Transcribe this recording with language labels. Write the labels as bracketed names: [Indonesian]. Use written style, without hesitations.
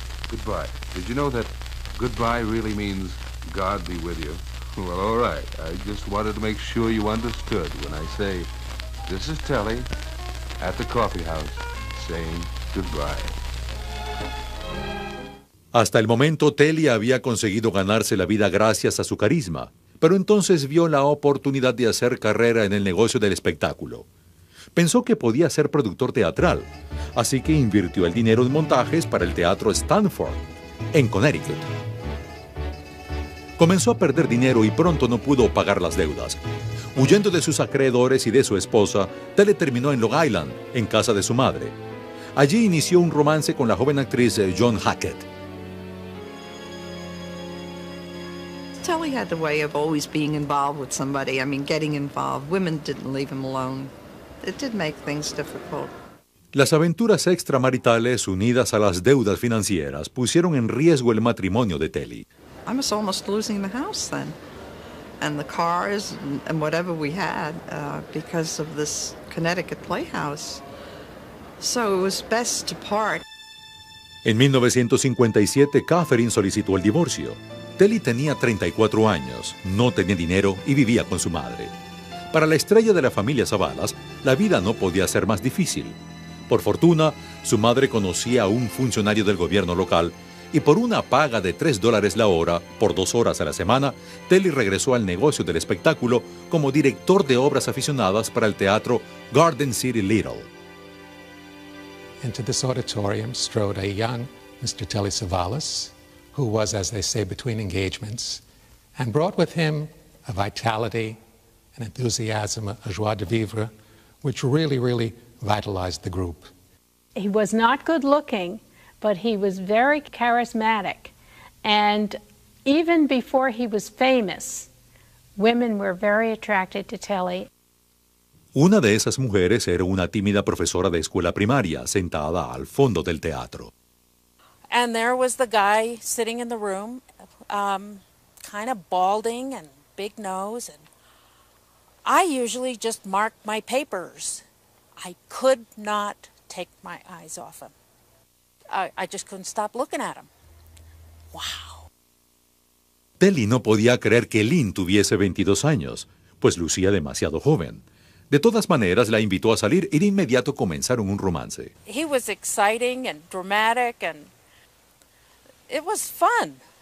[English] Goodbye. Did you know that goodbye really means God be with you? Well, all right. I just wanted to make sure you understood when I say, this is Telly at the coffee house saying goodbye. [Spanish] Hasta el momento, Telly había conseguido ganarse la vida gracias a su carisma, pero entonces vio la oportunidad de hacer carrera en el negocio del espectáculo. Pensó que podía ser productor teatral, así que invirtió el dinero en montajes para el Teatro Stanford, en Connecticut. Comenzó a perder dinero y pronto no pudo pagar las deudas. Huyendo de sus acreedores y de su esposa, Telly terminó en Long Island, en casa de su madre. Allí inició un romance con la joven actriz Joan Hackett. [English] Telly had the way of always being involved with somebody. I mean, getting involved. Women didn't leave him alone. It did make things difficult. [Spanish] Las aventuras extramaritales unidas a las deudas financieras pusieron en riesgo el matrimonio de Telly. [English] I was almost losing the house then, and the cars and whatever we had because of this Connecticut playhouse. So it was best to part. [Spanish] En 1957, Catherine solicitó el divorcio. Telly tenía 34 años, no tenía dinero y vivía con su madre. Para la estrella de la familia Zabalas, la vida no podía ser más difícil. Por fortuna, su madre conocía a un funcionario del gobierno local y por una paga de $3 la hora, por 2 horas a la semana, Telly regresó al negocio del espectáculo como director de obras aficionadas para el teatro Garden City Little. [English] Into this auditorium strode a young Mr. Telly Zabalas, who was, as they say, between engagements, and brought with him a vitality, an enthusiasm, a joie de vivre, which really, really vitalized the group. He was not good looking, but he was very charismatic. And even before he was famous, women were very attracted to Telly. [Spanish] Una de esas mujeres era una tímida profesora de escuela primaria sentada al fondo del teatro. [English] And there was the guy sitting in the room, kind of balding and big nose. And I usually just marked my papers. I could not take my eyes off him. I just couldn't stop looking at him. Wow. [Spanish] Telly no podía creer que Lynn tuviese 22 años, pues lucía demasiado joven. De todas maneras, la invitó a salir y de inmediato comenzaron un romance. [English] He was exciting and dramatic and... It was fun.